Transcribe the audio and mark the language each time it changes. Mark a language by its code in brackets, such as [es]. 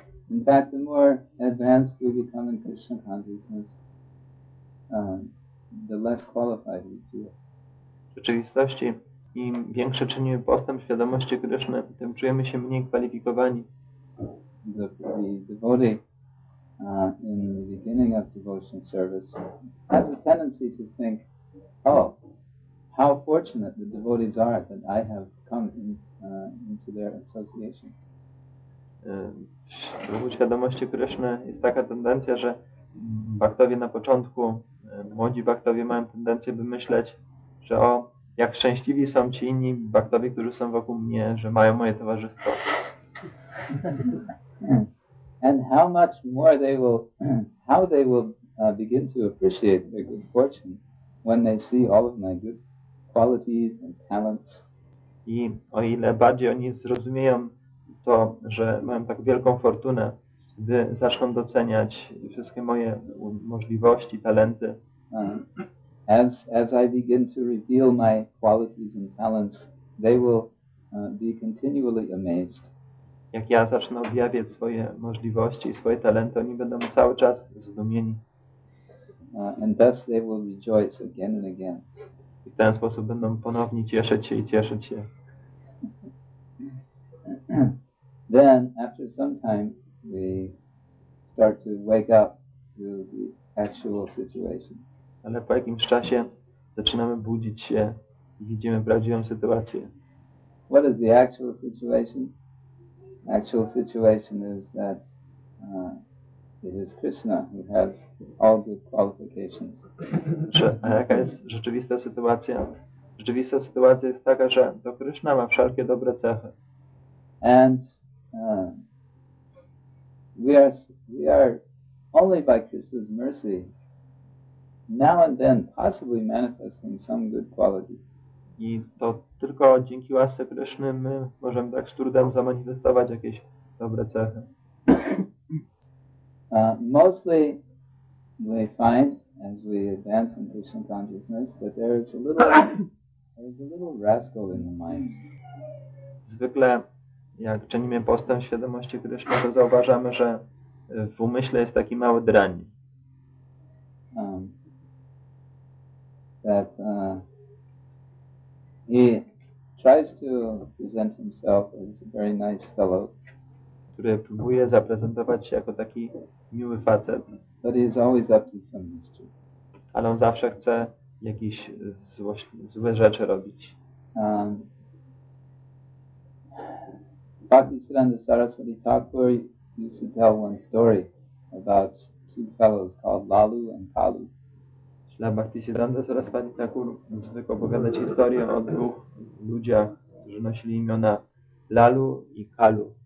[en] In fact, the more advanced we become in Krishna consciousness, the less qualified we feel. [pl] W rzeczywistości, im większy czynimy postęp świadomości Krishna, tym czujemy się mniej kwalifikowani. [en] The devotee in the beginning of devotional service has a tendency to think, oh, how fortunate the devotees are that I have come in, into their association. [pl] W świadomości Krishna jest taka tendencja, że bhaktowie na początku, młodzi bhaktowie mają tendencję by myśleć, że o, jak szczęśliwi są ci inni bhaktowie, którzy są wokół mnie, że mają moje towarzystwo. [en] And how much more they will, how they will begin to appreciate their good fortune when they see all of my good qualities and talents. [pl] I o ile bardziej oni zrozumieją to, że mają tak wielką fortunę, gdy zaczną doceniać wszystkie moje możliwości, talenty. [en] As I begin to reveal my qualities and talents, they will be continually amazed. [pl] Jak ja zacznę objawiać swoje możliwości i swoje talenty, oni będą cały czas zdumieni. [en] And thus they will rejoice again and again. [pl] I w ten sposób będą ponownie cieszyć się i cieszyć się. [en] Then, after some time, we start to wake up to the actual situation. [pl] Ale po jakimś czasie zaczynamy budzić się i widzimy prawdziwą sytuację. [en] What is the actual situation? Actual situation is that it is Krishna who has all good qualifications. [pl] A jaka jest rzeczywista sytuacja? Rzeczywista sytuacja jest taka, że to Krishna ma wszelkie dobre cechy. [en] And we are only by Krishna's mercy now and then possibly manifesting some good quality. [pl] I to tylko dzięki łasce Krishny my możemy tak z trudem zamanifestować jakieś dobre cechy. [en] Mostly we find as we advance in Krishna consciousness, that there is a little rascal in the mind. [pl] Zwykle, jak czynimy postęp świadomości Krishna, to zauważamy, że w umyśle jest taki mały drań. [en] That he tries to present himself as a very nice fellow. [pl] Który próbuje zaprezentować się jako taki miły facet. [en] But he is always up to some mystery. [pl] Ale on zawsze chce jakieś złe rzeczy robić. [en] Bhakti Siddhanta Saraswati Thakur used to tell one story about two fellows called Lalu and Kalu. [pl] Śla Bhakti Siddhanta Saraswati Thakur zwykł opowiadać historię o dwóch ludziach, którzy nosili imiona Lalu i Kalu.